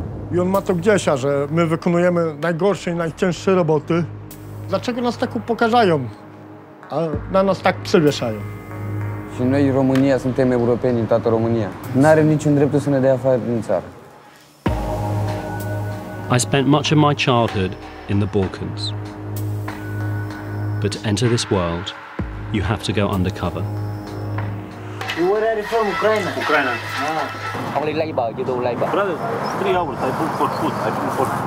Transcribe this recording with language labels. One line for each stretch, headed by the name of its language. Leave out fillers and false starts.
Polish: I on ma to gdzieś, a że my wykonujemy najgorsze i najcięższe roboty. Dlaczego nas tak upokarzają, a na nas tak przewieszają?
Romanian: Și noi România suntem europeni în toată România. N-are niciun drept să ne dea afară din țară.
English: I spent much of my childhood in the Balkans. But to enter this world, you have to go undercover. Where are you from? Ucraina. Ucraina. Ah. Only labor, you do labor. Brother, 3 hours, I book for food, I book for...